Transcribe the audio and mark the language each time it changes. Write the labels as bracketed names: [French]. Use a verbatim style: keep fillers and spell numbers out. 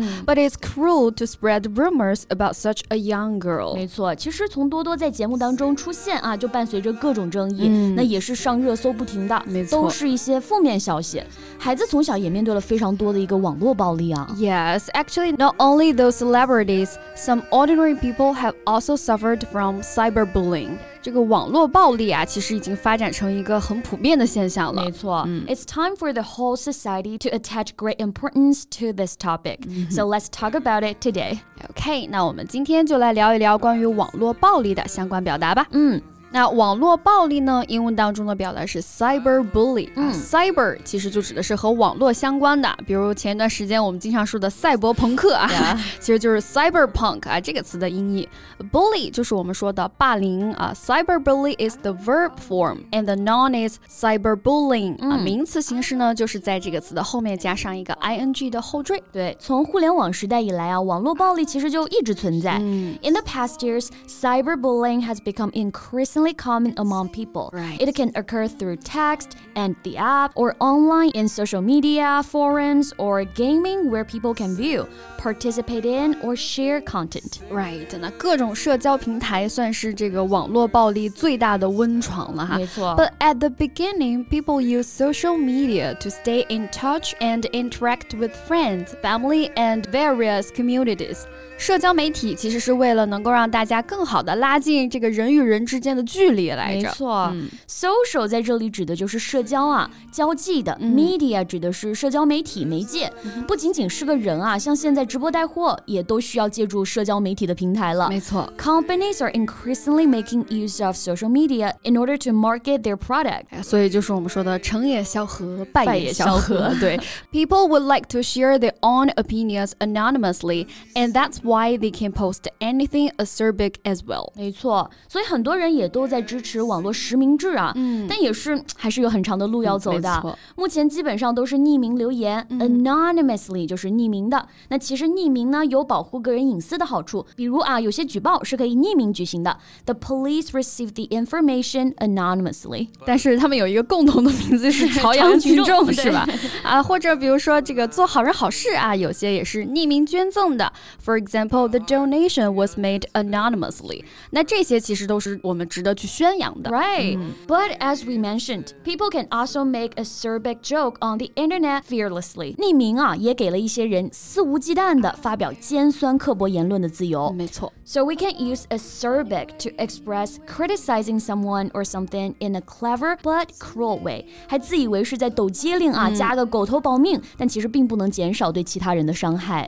[English] 嗯、But it's cruel to spread rumors about such a young girl. [Chinese] 没错，其实从多多在节目当中出现啊，就伴随着各种争议，嗯、那也是上热搜不停的，没错，都是一些负面消息。孩子从小也面对了非常多的一个网络暴力啊。 [English] Yes, actually, not only those celebrities, some ordinary people have also suffered from cyberbullying. [Chinese] 这个网络暴力啊，其实已经发展成一个很普遍的现象了。没错， [English] 嗯、It's time for the whole society to attach great importance to this topic.、嗯、So let's talk about it today. [Chinese] OK, 那我们今天就来聊一聊关于网络暴力的相关表达吧。嗯。那网络暴力呢，英文当中的表达是 cyberbully、嗯啊、cyber 其实就指的是和网络相关的，比如前一段时间我们经常说的赛博朋克啊， yeah. 其实就是 cyberpunk 啊这个词的音译。Bully 就是我们说的霸凌啊 [English] cyberbully is the verb form and the noun is cyberbullying、 [Chinese] 嗯啊、名词形式呢就是在这个词的后面加上一个 ing 的后缀。对，从互联网时代以来啊，网络暴力其实就一直存在、嗯、 [English] In the past years, cyberbullying has become increasingly common among people. Right. It can occur through text and the app or online in social media, forums, or gaming where people can view, participate in, or share content. Right. [Chinese] 那各种社交平台算是这个网络暴力最大的温床了哈。没错。 [English] But at the beginning, people use social media to stay in touch and interact with friends, family, and various communities. [Chinese] 社交媒体其实是为了能够让大家更好地拉近这个人与人之间的距离来着，没错、嗯、social 在这里指的就是社交啊，交际的、嗯、media 指的是社交媒体媒介、嗯、不仅仅是个人啊，像现在直播带货也都需要借助社交媒体的平台了，没错。 [English] Companies are increasingly making use of social media in order to market their product、 [Chinese] 哎、所以就是我们说的成也萧何败也萧何对。 [English] People would like to share their own opinions anonymously and that's why they can post anything acerbic as well， [Chinese] 没错，所以很多人也都在支持网络实名制啊、嗯、但也是还是有很长的路要走的、嗯、目前基本上都是匿名留言、嗯、anonymously 就是匿名的，那其实匿名呢有保护个人隐私的好处，比如啊有些举报是可以匿名举行的， [English] The police received the information anonymously， [Chinese] 但是他们有一个共同的名字是朝阳群众是吧啊，或者比如说这个做好人好事啊，有些也是匿名捐赠的， [English] For example, the donation was made anonymously， [Chinese] 那这些其实都是我们值得去宣扬的。 [English] Right.、嗯、But as we mentioned, people can also make acerbic joke on the internet fearlessly. [Chinese] 匿名啊，也给了一些人肆无忌惮地发表尖酸刻薄言论的自由。没错。 [English] So we can use acerbic to express criticizing someone or something in a clever but cruel way. [Chinese] 还自以为是在抖机灵啊、嗯、加个狗头保命，但其实并不能减少对其他人的伤害。